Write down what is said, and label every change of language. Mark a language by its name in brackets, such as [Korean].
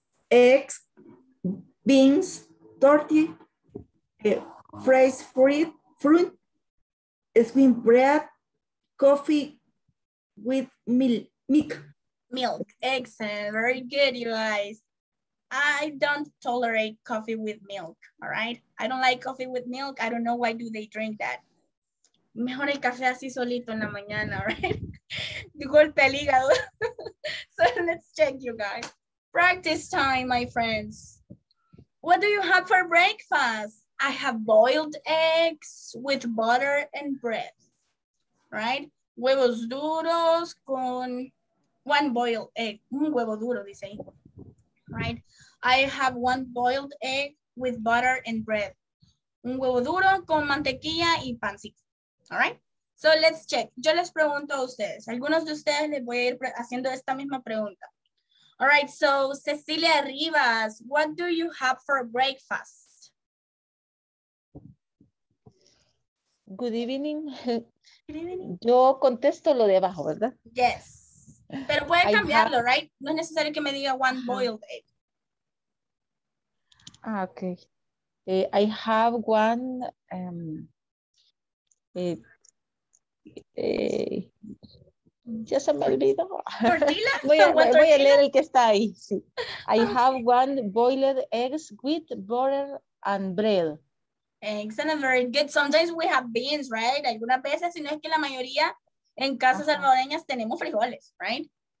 [English] Eggs, beans, tortilla, fresh fruit, sweet bread, coffee with milk. Milk, excellent. Very good, you guys. I don't tolerate coffee with milk, all right? I don't like coffee with milk. I don't know why do they drink that. [Spanish] Mejor el café así solito en la mañana, right? Golpe al hígado. [English] So let's check you guys. Practice time, my friends. What do you have for breakfast? I have boiled eggs with butter and bread, right? [Spanish] Huevos duros con [English] one boiled egg. [Spanish] Un huevo duro, dice. [English] Right? I have one boiled egg with butter and bread. [Spanish] Un huevo duro con mantequilla y pancito. [English] All right, so let's check. [Spanish] Yo les pregunto a ustedes. Algunos de ustedes les voy a ir haciendo esta misma pregunta. [English] All right, so Cecilia Rivas, what do you have for breakfast? Good evening. Good evening. [Spanish] Yo contesto lo de abajo, ¿verdad? Yes. Pero puede cambiarlo, right? No es necesario que me diga [English] one boiled egg. Ah, okay. I have one... [Spanish] ya se me olvidó. Voy a leer el que está ahí. Sí. [English] I have one boiled eggs with butter and bread. Excellent, very good. Sometimes we have beans, right? [Spanish] Algunas veces, si no es que la mayoría en casas salvadoreñas tenemos frijoles, right?